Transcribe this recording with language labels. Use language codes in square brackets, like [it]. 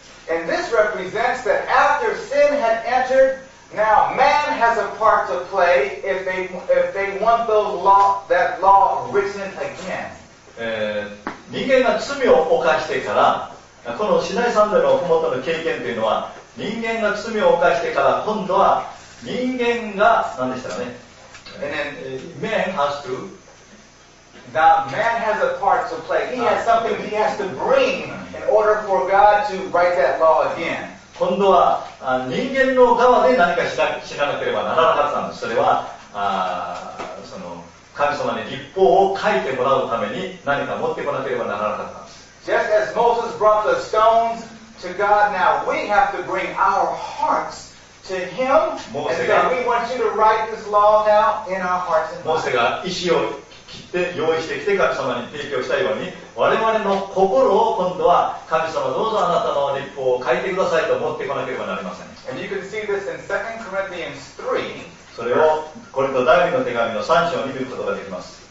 [en] And this represents that after sin had entered, now man has a part to play if they want those law, that law written again. [ja] 人間が罪を犯してから、このシナイ山での麓の経験というのは、人間が罪を犯してから今度は人間が何でしたかね。 [en] And then, man has to. Now man has a part to play. He has something he has to bring in order for God to write that law again. [ja] 今度は人間の側で何かしなければならなかったんです。それはその神様に律法を書いてもらうために何か持ってこなければならなかったんです。 [en] Just as Moses brought the stones. To God now, we have to bring our hearts to Him and say, we want you to write this law now in our hearts and [ja] minds. モーセが石を切って用意してきて神様に提供したように、我々の心を今度は神様どうぞあなたの律法を書いてくださいと持ってこなければなりません。 [en] And you can see this in 2 Corinthians 3. [ja] それをコリント第2の手紙の3章を見ることができます。